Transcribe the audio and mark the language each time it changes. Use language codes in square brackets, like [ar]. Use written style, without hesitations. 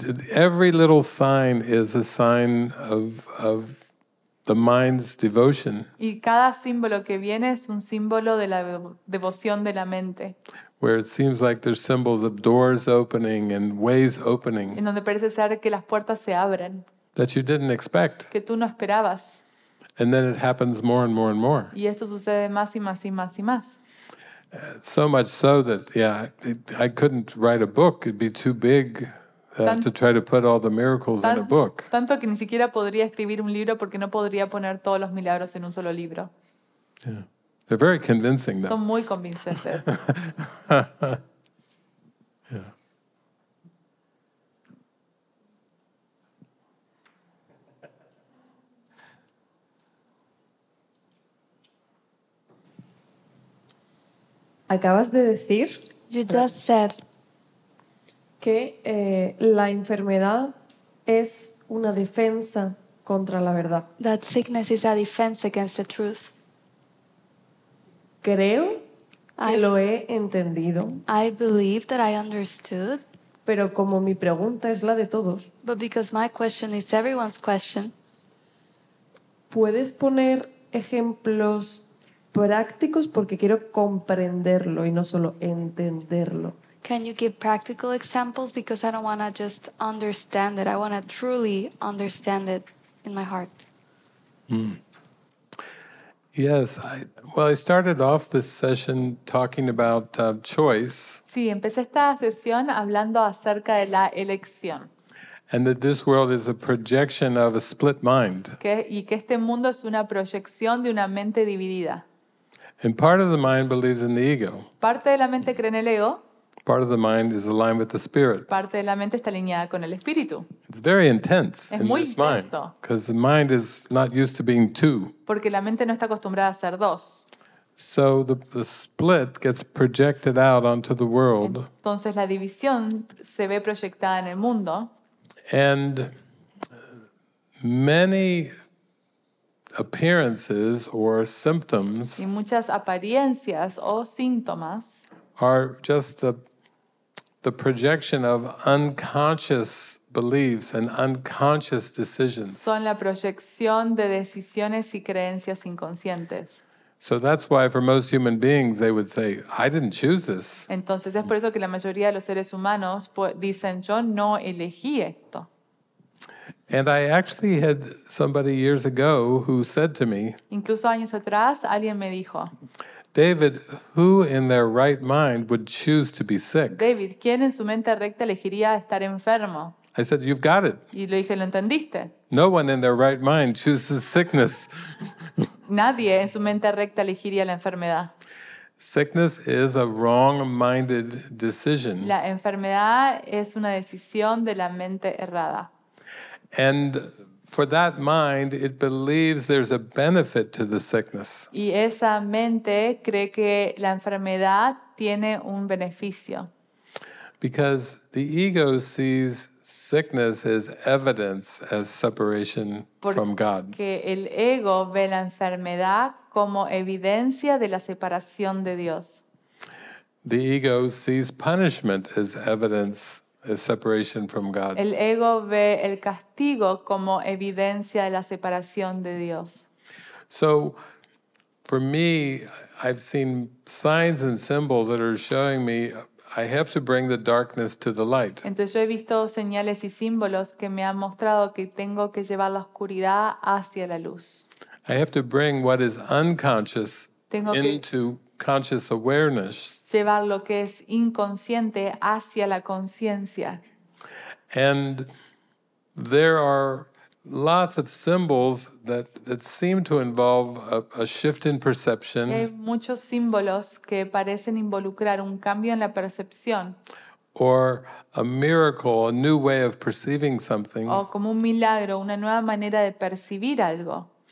[en] Every little sign is a sign of the mind's devotion. [es] Y cada símbolo que viene es un símbolo de la devoción de la mente. [en] Where it seems like there's symbols of doors opening and ways opening. [es] En donde parece ser que las puertas se abren. [en] That you didn't expect. [es] Que tú no esperabas. [en] And then it happens more and more and more. [es] Y esto sucede más y más y más y más. [en] So much so that, I couldn't write a book. It'd be too big to try to put all the miracles in a book. [es] Tanto que ni siquiera podría escribir un libro porque no podría poner todos los milagros en un solo libro. [en] Yeah. They're very convincing, though. [es] Son muy convincentes. [en] Yeah. [es] Acabas de decir, [en] you just said, [es] que la enfermedad es una defensa contra la verdad. [en] That sickness is a defense against the truth. [es] Creo que lo he entendido. [en] I believe that I understood. [es] Pero como mi pregunta es la de todos. [en] But because my question is everyone's question. [es] ¿Puedes poner ejemplos prácticos porque quiero comprenderlo y no solo entenderlo? [en] Can you give practical examples? Because I don't want to just understand it. I want to truly understand it in my heart. Mm. Yes. I started off this session talking about choice. [es] Sí, empecé esta sesión hablando acerca de la elección. [en] And that this world is a projection of a split mind. [es] Y que este mundo es una proyección de una mente dividida. [en] And part of the mind believes in the ego. [es] Parte de la mente cree en el ego. [en] Part of the mind is aligned with the spirit. [es] Parte de la mente está alineada con el espíritu. [en] It's very intense [es] es [en] in [es] muy [en] this [es] intenso. [en] Mind. Because the mind is not used to being two. [es] Porque la mente no está acostumbrada a ser dos. [en] So the split gets projected out onto the world. [es] Entonces la división se ve proyectada en el mundo. [en] And many appearances or symptoms [es] y muchas apariencias o síntomas [en] are just the projection of unconscious beliefs and unconscious decisions. [es] Son la proyección de decisiones y creencias inconscientes. [en] So that's why for most human beings they would say, I didn't choose this. [es] Entonces es por eso que la mayoría de los seres humanos dicen, yo no elegí esto. [en] And I actually had somebody years ago who said to me, [es] incluso años atrás, alguien me dijo, [en] David, who in their right mind would choose to be sick? [es] David, ¿quién en su mente recta elegiría estar enfermo? [en] I said, you've got it. [es] Y le dije, ¿lo entendiste? [en] No one in their right mind chooses sickness. [es] Nadie en su mente recta elegiría la enfermedad. [en] Sickness is a wrong-minded decision. [es] La enfermedad es una decisión de la mente errada. [en] And for that mind, it believes there's a benefit to the sickness. [es] Y esa mente cree que la enfermedad tiene un beneficio. [en] Because the ego sees sickness as evidence, as separation from God. [es] Porque el ego ve la enfermedad como evidencia de la separación de Dios. [en] The ego sees punishment as evidence. A separation from God. [es] El ego ve el castigo como evidencia de la separación de Dios. [en] So, for me, I've seen signs and symbols that are showing me I have to bring the darkness to the light. [es] Entonces yo he visto señales y símbolos que me han mostrado que tengo que llevar la oscuridad hacia la luz. [en] I have to bring what is unconscious into conscious awareness. [es] Llevar lo que es inconsciente hacia la conciencia. [en] And there are lots of symbols that seem to involve a shift in perception. [es] Hay muchos símbolos que parecen involucrar un cambio en la percepción. [en] Or a miracle, a new way of perceiving something. [es] O como un milagro, una nueva manera de percibir algo.